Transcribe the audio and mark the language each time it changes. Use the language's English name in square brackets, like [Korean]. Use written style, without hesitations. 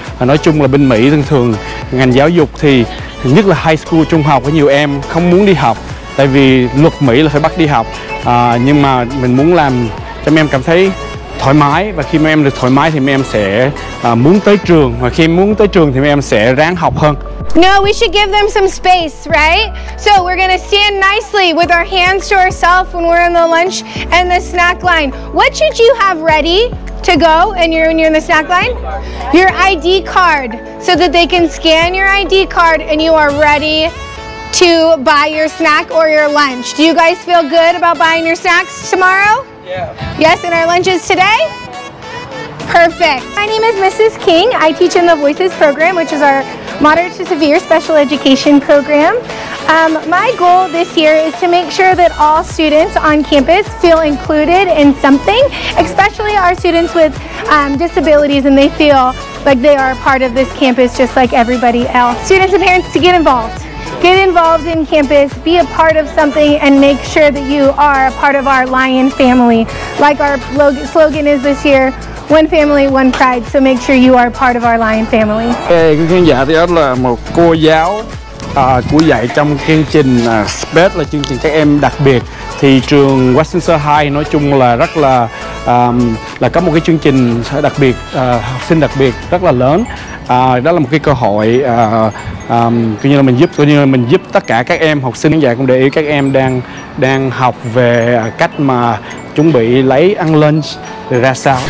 [Vietnamese] Nói chung là bên Mỹ thường thường ngành giáo dục thì nhất là high school, trung học, có nhiều em không muốn đi học tại vì luật Mỹ là phải bắt đi học, nhưng mà mình muốn làm cho mấy em cảm thấy thoải mái, và khi mấy em được thoải mái thì mấy em sẽ muốn tới trường, và khi muốn tới trường thì mấy em sẽ ráng học hơn. [English] No, we should give them some space, right? So we're gonna stand nicely with our hands to ourselves when we're in the lunch and the snack line. What should you have ready to go and you're in the snack line? Your ID card, so that they can scan your ID card and you are ready to buy your snack or your lunch. Do you guys feel good about buying your snacks tomorrow? Yeah. Yes, and our lunch is today? Perfect. My name is Mrs. King. I teach in the Voices program, which is our moderate to severe special education program. My goal this year is to make sure that all students on campus feel included in something, especially our students with disabilities, and they feel like they are a part of this campus just like everybody else. Students and parents, to get involved. Get involved in campus, be a part of something, and make sure that you are a part of our Lion family. Like our slogan is this year, one family, one pride. So make sure you are a part of our Lion family. [Vietnamese] Hey, quý khán giả, thì đó là một cô giáo của dạy trong chương trình SPED, là chương trình các em đặc biệt. Thì trường Westminster High nói chung là rất là có một cái chương trình đặc biệt, học sinh đặc biệt rất là lớn. Đó là một cái cơ hội, coi như là mình giúp tất cả các em học sinh. Khán giả cũng để ý các em đang học về cách mà chuẩn bị lấy ăn lunch ra sao.